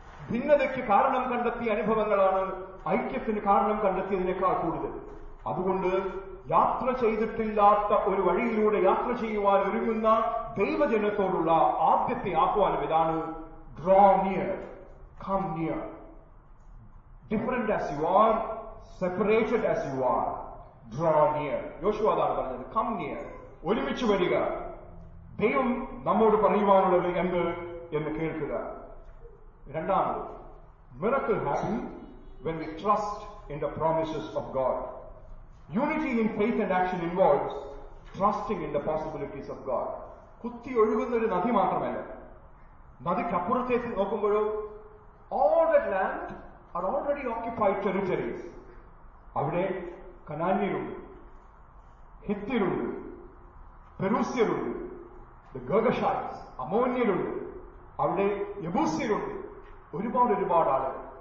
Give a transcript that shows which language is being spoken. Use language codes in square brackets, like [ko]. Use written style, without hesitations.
[ml] ഭിന്നതയ്ക്ക് കാരണം കണ്ടെത്തിയ അനുഭവങ്ങളാണ് ഐക്യത്തിന് കാരണം കണ്ടെത്തിയതിനേക്കാൾ കൂടുതൽ. അതുകൊണ്ട് യാത്ര ചെയ്തിട്ടില്ലാത്ത ഒരു വഴിയിലൂടെ യാത്ര ചെയ്യുവാൻ ഒരുങ്ങുന്ന ദൈവജനത്തോടുള്ള ആദ്യത്തെ ആഹ്വാനം ഇതാണ്. [en] Draw near, come near. Different as you are, separated as you are, draw near. [ml] യോശുവ അതാണ് പറഞ്ഞത്, [en] come near. [ml] ഒരുമിച്ച് വരിക. ദൈവം നമ്മോട് പറയുവാനുള്ളത് എന്ത് എന്ന് കേൾക്കുക. രണ്ടാമത്, [en] miracle happen when we trust in the promises of God. Unity in faith and action involves trusting in the possibilities of God. [ml] കുത്തി ഒഴുകുന്ന ഒരു നദി മാത്രമല്ല, നദിക്കപ്പുറത്തേക്ക് നോക്കുമ്പോഴോ, [en] All that land are already occupied territories. [ml] അവിടെ കനാന്യരുണ്ട്, ഹിത്യരുണ്ട്, പെരൂസ്യരുണ്ട്, ദ ഗഗഷൈസ്, അമോന്യരുണ്ട്, അവിടെ യബൂസ്യരുണ്ട്, ഒരുപാട് ഒരുപാട് ആളുകൾ.